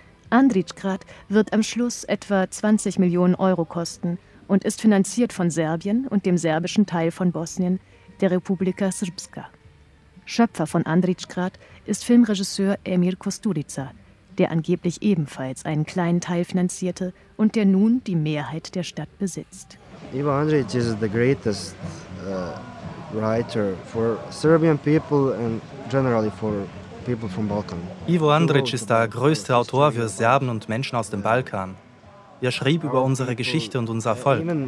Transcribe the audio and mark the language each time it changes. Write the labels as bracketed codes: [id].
[de] Andrićgrad wird am Schluss etwa 20 Millionen Euro kosten und ist finanziert von Serbien und dem serbischen Teil von Bosnien, der Republika Srpska. Schöpfer von Andrićgrad ist Filmregisseur Emir Kusturica, der angeblich ebenfalls einen kleinen Teil finanzierte und der nun die Mehrheit der Stadt besitzt. [en] Ivo Andrić is the greatest writer for Serbian people and generally for people from Balkan. [de] Ivo Andrić ist der größte Autor für Serben und Menschen aus dem Balkan. Er schrieb über unsere Geschichte und unser Volk.